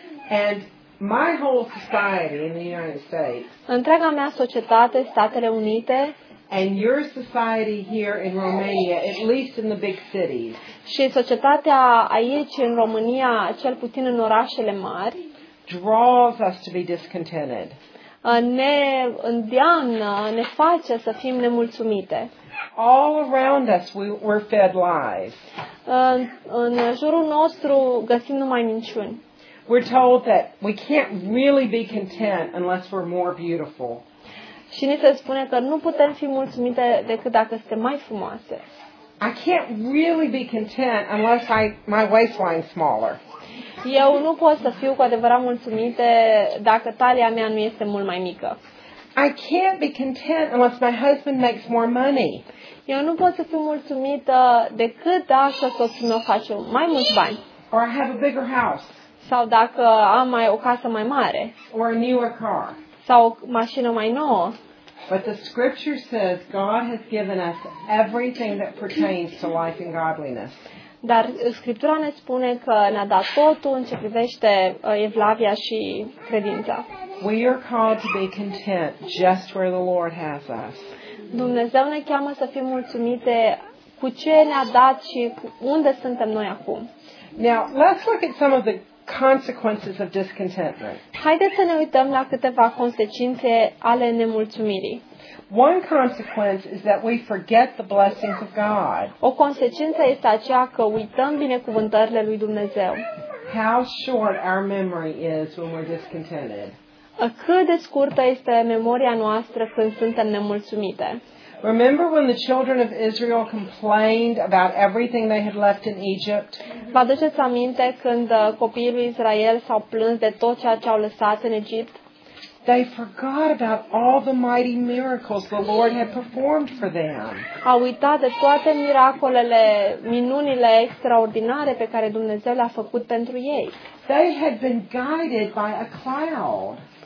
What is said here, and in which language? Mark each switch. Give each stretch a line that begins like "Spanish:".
English: And my whole society in the United States.
Romanian: Întreaga mea societate, Statele Unite.
English: And your society here in Romania, at least in the big cities.
Romanian: Și societatea aici în România, cel puțin în orașele mari,
English: draws us to be discontented.
Romanian: Ne îndeamnă, ne face să fim nemulțumite.
English: All around us we're fed lies.
Romanian: În jurul nostru găsim numai minciuni.
English: We're told that we can't really be content unless we're more beautiful.
Romanian: Și ni se spune că nu putem fi mulțumite decât dacă suntem mai frumoase.
English: I can't really be content unless my waistline's smaller.
Romanian: Eu nu pot să fiu cu adevărat mulțumită dacă talia mea nu este mult mai mică.
English: I can't be content unless my husband makes more money.
Romanian: Eu nu pot să fiu mulțumită decât dacă soțul meu face mai mulți bani.
English: Or I have a bigger house.
Romanian: Sau dacă am mai o casă mai mare.
English: Or a newer car.
Romanian: Sau o mașină mai nouă.
English: But the scripture says God has given us everything that pertains to life and godliness.
Romanian: Dar Scriptura ne spune că ne-a dat totul în ce privește evlavia și credința.
English: We are called to be content just where the Lord has us.
Romanian: Dumnezeu ne cheamă să fim mulțumite cu ce ne-a dat și unde suntem noi acum.
English: Now, let's look at some of the consequences of discontentment.
Romanian: Haideți să ne uităm la câteva consecințe ale nemulțumirii.
English: One consequence is that we forget the blessings of God.
Romanian: O consecință este aceea că uităm binecuvântările lui Dumnezeu.
English: How short our memory is when we're discontented.
Romanian: Cât de scurtă este memoria noastră când suntem nemulțumite.
English: Remember when the children of Israel complained about everything they had left in Egypt?
Romanian: Vă aduceți aminte când copiii lui Israel s-au plâns de tot ceea ce au lăsat în Egipt?
English: They forgot about all the mighty miracles the Lord had performed for them.
Romanian: Au uitat de toate miracolele, minunile extraordinare pe care Dumnezeu le-a făcut pentru ei.
English: They had been guided by a cloud.